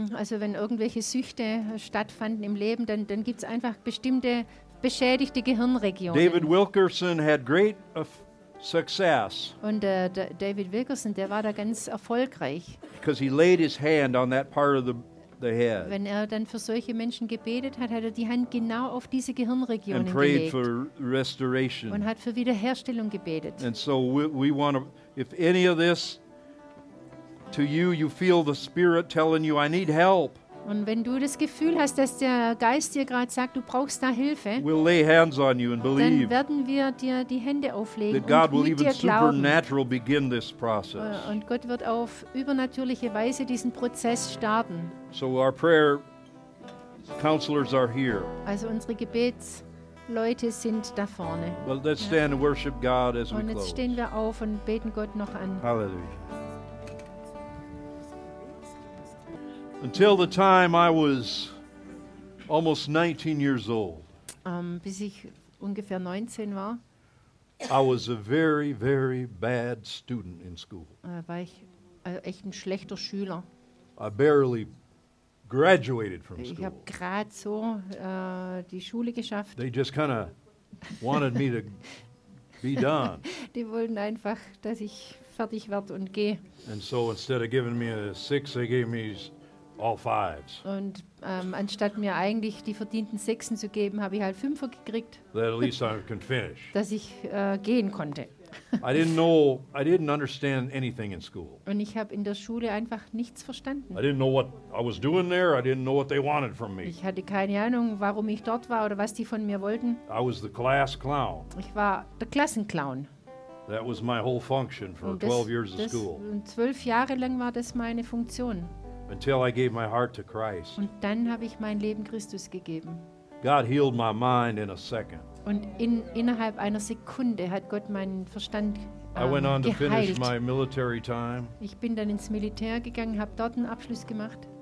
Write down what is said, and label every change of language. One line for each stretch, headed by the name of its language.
German: Also wenn irgendwelche Süchte stattfanden im Leben, dann gibt's einfach bestimmte beschädigte Gehirnregionen.
English: David Wilkerson had great success.
German: Und David Wilkerson, der war da ganz erfolgreich.
English: Because he laid his hand on that part of the head.
German: Wenn er dann für solche Menschen gebetet hat, hat er die Hand genau auf diese Gehirnregion gelegt.
English: And prayed for restoration.
German: Und hat für Wiederherstellung gebetet.
English: And so we want to, if any of this to you feel the Spirit telling you, I need help.
German: Und wenn du das Gefühl hast, dass der Geist dir gerade sagt, du brauchst da Hilfe,
English: we'll lay hands on you and believe,
German: dann werden wir dir die Hände auflegen
English: that God
German: und
English: will
German: mit
English: even
German: dir
English: supernatural
German: glauben.
English: Begin this process.
German: Und Gott wird auf übernatürliche Weise diesen Prozess starten.
English: So our prayer counselors are here.
German: Also unsere Gebetsleute sind da vorne.
English: Well, let's stand and worship God as
German: und
English: we
German: jetzt
English: close.
German: Stehen wir auf und beten Gott noch an. Halleluja.
English: Until the time I was almost 19 years old,
German: bis ich ungefähr 19 war,
English: I was a very, very bad student in school.
German: War ich echt ein schlechter Schüler.
English: I barely graduated from school.
German: Ich habe gerade so die Schule geschafft.
English: They just kind of wanted me to be done.
German: Die wollten einfach, dass ich fertig werde und gehe.
English: And so instead of giving me a 6, they gave me all fives.
German: Und anstatt mir eigentlich die verdienten Sechsen zu geben, habe ich halt Fünfer gekriegt.
English: That at least I can finish.
German: Dass ich gehen konnte.
English: I didn't understand anything in school.
German: Und ich habe in der Schule einfach nichts verstanden.
English: I didn't know what I was doing there. I didn't know what they wanted from me.
German: Ich hatte keine Ahnung, warum ich dort war oder was die von mir wollten.
English: I was the class clown.
German: Ich war der Klassenclown.
English: That was my whole function for 12 years of school.
German: Und 12 Jahre lang war das meine Funktion.
English: Until I gave my heart to Christ.
German: Und dann habe ich mein Leben Christus gegeben.
English: God healed my mind in a second.
German: Und innerhalb einer Sekunde hat Gott meinen Verstand geheilt.
English: I went on to finish my military time.
German: Ich bin dann ins Militär gegangen, habe dort einen Abschluss gemacht.